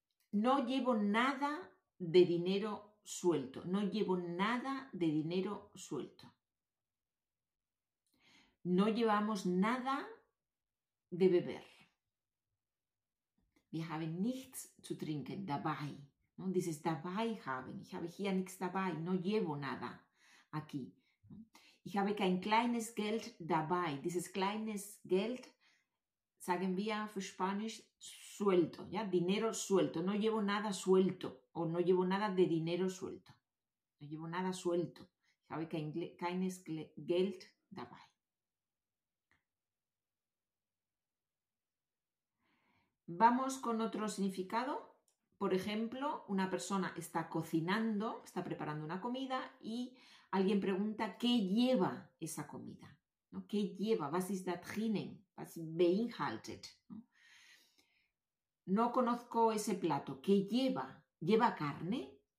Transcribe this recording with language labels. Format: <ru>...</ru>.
<es>No llevo nada de dinero suelto. No llevo nada de dinero suelto. No llevamos nada de beber.</es> <de>Wir haben nichts zu trinken dabei.</de> <es>¿No? Dices</es> <de>dabei haben. Ich habe hier nichts dabei.</de> <es>No llevo nada aquí.</es> <de>Ich habe kein kleines Geld dabei. Dieses kleines Geld, sagen wir für Spanisch, suelto.</de> <es>¿Ya? Dinero suelto. No llevo nada suelto. O no llevo nada de dinero suelto. No llevo nada suelto.</es> <de>Ich habe kein Geld dabei.</de> <es>Vamos con otro significado. Por ejemplo, una persona está cocinando, está preparando una comida y alguien pregunta qué lleva esa comida, ¿no? ¿Qué lleva?</es> <de>Was ist da drinnen? Was beinhaltet,</de> <es>¿no? No conozco ese plato. ¿Qué lleva? ¿Lleva carne?</es>